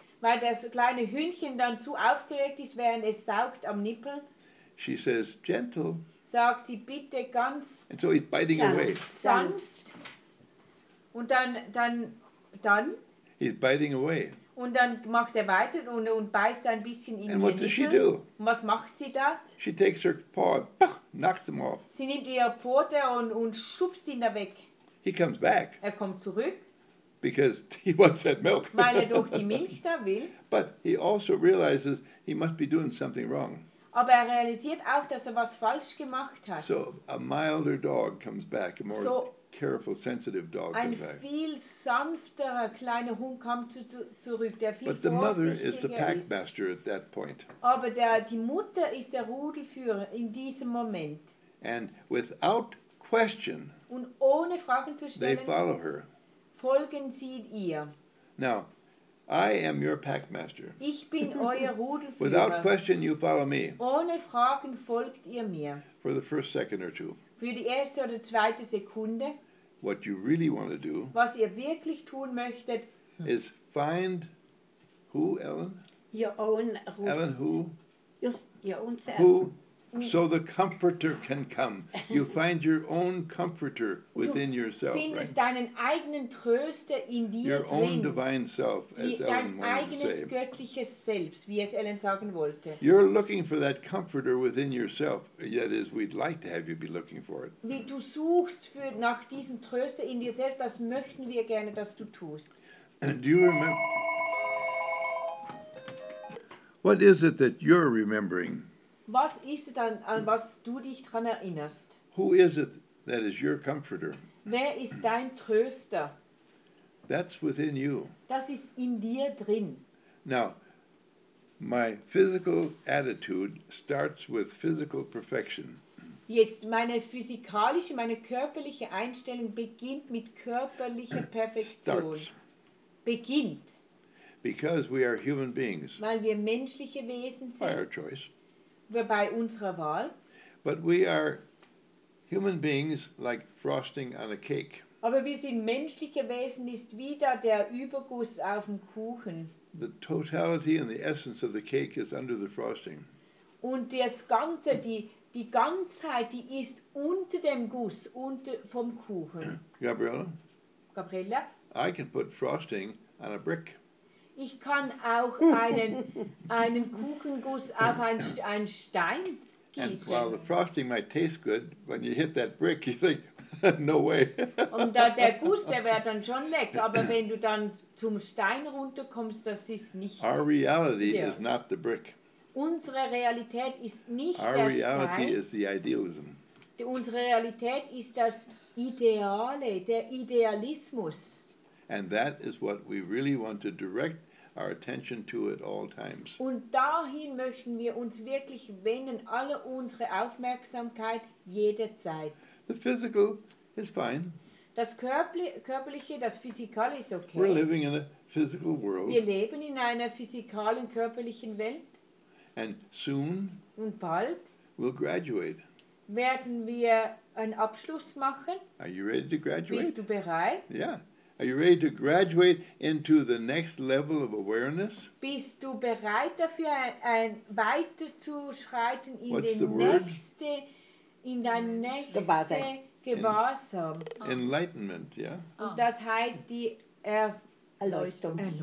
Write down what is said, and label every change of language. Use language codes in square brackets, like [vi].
[de] weil das kleine Hündchen dann zu aufgeregt ist, während es saugt am Nippel. [en] She says, gentle. [de] Sagt sie bitte ganz [en] and so it's biting [de] sanft. [en] Away. [de] Sanft. Und dann? [en] He's biting away. [de] Und dann macht er weiter und beißt ein bisschen in ihren Nippel. Und was macht sie da? [en] She takes her paw and knocks him off. [de] Sie nimmt ihre Pfote und schubst ihn da weg. [en] He comes back. [de] Er kommt zurück. [en] Because he wants that milk. [de] Weil er doch die Milch da will. [en] But he also realizes he must be doing something wrong. [de] Aber er realisiert auch, dass er was falsch gemacht hat. [en] So a milder dog comes back, a more careful, sensitive dog [de] ein viel sanfterer kleiner Hund kommt zurück, der viel [en] but the mother is the pack master at that point. [de] Aber die Mutter ist der Rudelführer in diesem Moment. [en] And without question, [de] und ohne Fragen zu stellen, [en] they follow her. [de] Folgen sie ihr. [en] Now, I am your pack master. [de] Ich bin euer Rudelführer. [en] Without question, you follow me. [de] Ohne Fragen folgt ihr mir. [en] For the first second or two. [de] Für die erste oder zweite Sekunde. [en] What you really want to do. [de] Was ihr wirklich tun möchtet. [en] Is find who, Ellen? Your own [de] Rudel. Ellen, who? [en] Your own self. Who? So the comforter can come. You find your own comforter within yourself. [de] Du findest deinen eigenen Tröster in dir drin. [en] Your own divine self, as Ellen wanted to say. [de] Dein eigenes göttliches Selbst, wie es Ellen sagen wollte. [en] You're looking for that comforter within yourself. That is, we'd like to have you be looking for it. [de] Wie du suchst nach diesem Tröster in dir selbst, das möchten wir gerne, dass du tust. [en] Do you remember? What is it that you're remembering? [de] Was ist es, an was du dich dran erinnerst? [en] Who is it that is your comforter? [de] Wer ist dein Tröster? [en] That's within you. [de] Das ist in dir drin. [en] Now, my physical attitude starts with physical perfection. [de] Jetzt meine physikalische, meine körperliche Einstellung beginnt mit körperlicher Perfektion. [en] Starts. [de] Beginnt. [en] Because we are human beings. [de] Weil wir menschliche Wesen sind. [en] By our choice. [de] Bei unserer Wahl. [en] But we are human beings like frosting on a cake. [de] Aber wir sind menschliche Wesen, ist wieder der Überguss auf dem Kuchen. [en] The totality and the essence of the cake is under the frosting. [de] Und das Ganze, die Ganzheit, die ist unter dem Guss, unter vom Kuchen. Gabriella? [en] I can put frosting on a brick. [de] Ich kann auch einen Kuchenguss auf einen Stein gießen. [en] And while the frosting might taste good, when you hit that brick, you think, no way. [de] Und der Guss, der wäre dann schon lecker, aber wenn du dann zum Stein runterkommst, das ist nicht. [en] Our reality is not the brick. [de] Unsere Realität ist nicht [en] our [de] der [en] reality [de] Stein. [en] Is the idealism. [de] Unsere Realität ist das Ideale, der Idealismus. [en] And that is what we really want to direct our attention to at all times. [de] Und dahin möchten wir uns wirklich wenden, alle unsere Aufmerksamkeit jederzeit. [en] The physical is fine. [de] Das körperliche, das physikal ist okay. [en] We're living in a physical world. [de] Wir leben in einer physikalen, körperlichen Welt. [en] And soon. [de] Und bald. [en] We'll graduate. [de] Werden wir einen Abschluss machen? [en] Are you ready to graduate? [de] Bist du bereit? [en] Yeah. Are you ready to graduate into the next level of awareness? [de] Bist du bereit dafür, ein weiterzuschreiten in What's den nächste, in dein nächste Gewahrsam? [en] Enlightenment, yeah. [de] Und das heißt die Erleuchtung.